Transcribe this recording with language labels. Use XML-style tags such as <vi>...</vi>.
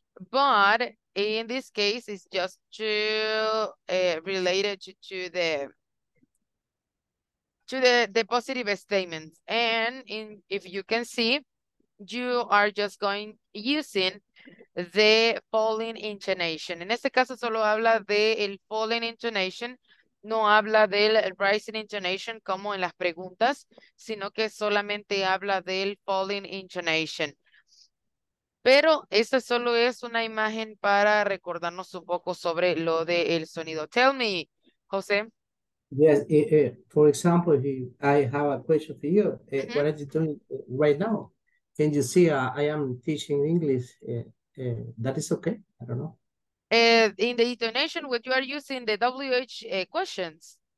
<en>But in this case, it's just to related to the positive statements. And if you can see, you are just going using the falling intonation.</en> <es>En este caso solo habla de el falling intonation, no habla del rising intonation como en las preguntas, sino que solamente habla del falling intonation. Pero esta solo es una imagen para recordarnos un poco sobre lo de el sonido.</es> <en>Tell me, José. Yes, for example, I have a question for you. Mm-hmm. What are you doing right now? Can you see I am teaching English? That is okay. I don't know. In the intonation, what you are using the WH questions.</en>